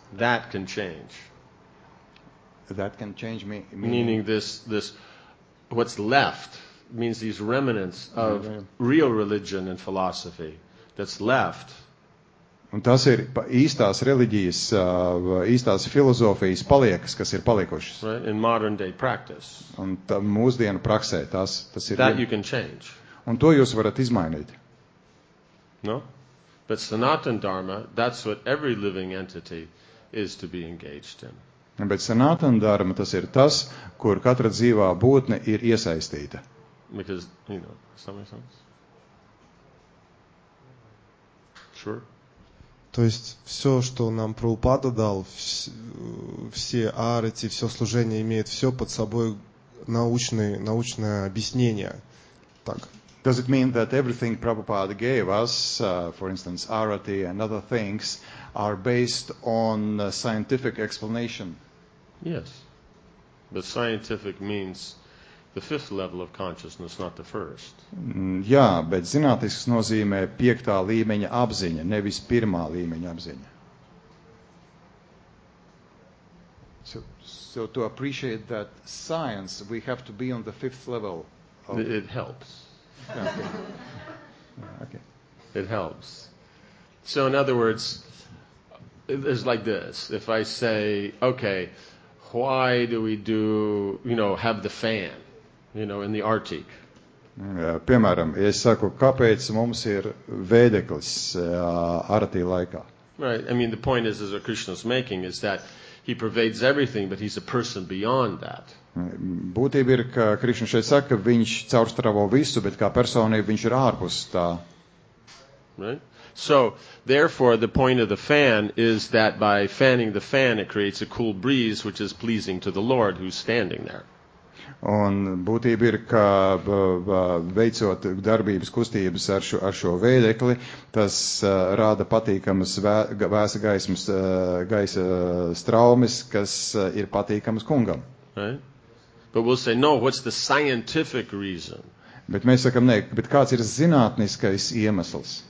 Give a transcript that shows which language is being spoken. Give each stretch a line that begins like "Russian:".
English: That can change. That can change me. Meaning this, what's left means these remnants of real religion and philosophy that's left.
Latvian: Un tas ir īstās reliģijas, īstās filozofijas paliekas, kas ir palikušas.
English: Right? In modern day practice.
Latvian: Un tā mūsdienu praksē, tas ir...
English: That you can change.
Latvian: Un to jūs varat izmainīt.
English: No? But Sanatana Dharma, that's what every living entity is to be engaged in.
Latvian: Bet Sanatana Dharma, tas ir tas, kur katra dzīvā būtne ir iesaistīta.
English: Because, you know, some sense? Sure.
Russian: То есть все, что нам Прабхупада дал, все арати, все служение имеет все под собой научное объяснение. Так.
English: Does it mean that everything Prabhupada gave us, for instance, arati and other things, are based on scientific explanation? Yes. But scientific means the fifth level of consciousness, not the first.
Latvian: Jā, bet zinātnisks nozīmē piektā līmeņa apziņa, nevis pirmā līmeņa apziņa.
English: So to appreciate that science, we have to be on the fifth level. Of... It helps. Okay. It helps. So in other words, it's like this. If I say, okay, why do we do, you know, have the fan? You know, in the Arctic.
Latvian: Piemēram, es saku, kāpēc mums ir vēdeklis Arktī laikā?
English: Right, I mean, the point is, as Krishna's making, is that he pervades everything, but he's a person beyond that.
Latvian: Būtība ir, ka Krishna šeit saka, ka viņš caurstravo visu, bet kā personība viņš ir ārpus tā.
English: Right? So, therefore, the point of the fan is that by fanning the fan, it creates a cool breeze, which is pleasing to the Lord, who's standing there.
Latvian: Un būtība ir, ka veicot darbības kustības ar šo vēdekli, tas rāda patīkamas vēsa gaismas gaisa straumes, kas ir patīkamas kungam.
English: Right? But we'll say, no, what's the scientific reason?
Latvian: Bet mēs sakam, nē, bet kāds ir zinātniskais iemesls?